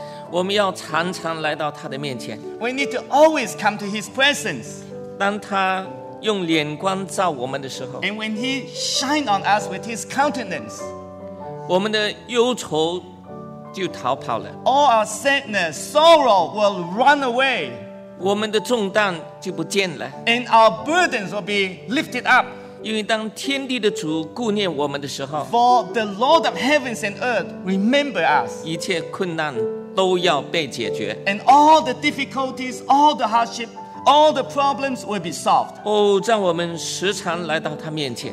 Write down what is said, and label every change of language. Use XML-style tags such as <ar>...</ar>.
<zh>我们要常常来到他的面前</zh> <en>，We need to always come to his presence。</en> <zh>当他用眼光照我们的时候</zh> <en>，And when he shine on us with his countenance，</en> <zh>我们的忧愁。就逃跑了</zh> <en>All our sadness, sorrow will run away</en> <zh>我们的重担就不见了</zh> <en>And our burdens will be lifted up</en> <zh>因为当天地的主顾念我们的时候</zh> <en>For the Lord of heavens and earth remember us</en> <zh>一切困难都要被解决</zh> <en>And all the difficulties, all the hardship, all the problems will be solved</en> <zh>哦，让我们时常来到他面前</zh>